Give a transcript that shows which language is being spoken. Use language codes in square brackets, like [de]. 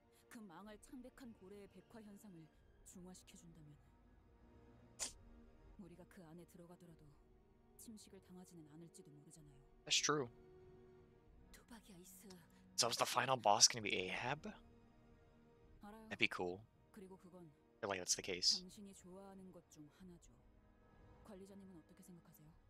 [ko] 그 망할 창백한 고래의 백화 현상을 중화시켜 준다면 우리가 그 안에 들어가더라도 침식을 당하지는 않을지도 모르잖아요. [en] That's true. [ko] 도박이야, 이스. [en] So is the final boss going to be Ahab? [ko] 알아요. [en] That'd be cool. [ko] 그리고 그건 [en] I feel like that's the case. [ko] 당신이 좋아하는 것 중 하나죠. 관리자님은 어떻게 생각하세요?